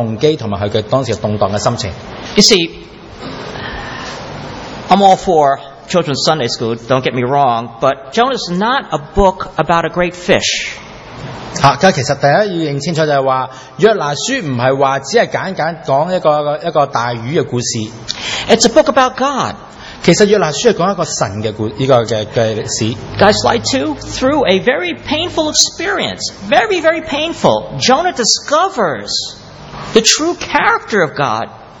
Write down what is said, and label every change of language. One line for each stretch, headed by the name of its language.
Chinese: 其實在約拿書看到就是說他內心裡面是充滿了這個驚恐,他有什麼動機和他當時動盪的心情。
English: You see, I'm all for children's Sunday school, don't get me wrong, but Jonah's not a book about a great fish.
Chinese: 其實第一要認清楚就是說,約拿書不是說只是簡單講一個大魚的故事。
English: It's a book about God.
Chinese: 其實約拿書是講一個神的故事。
English: Guys, slide two, through a very painful experience, very, very painful, Jonah discovers the true character of God.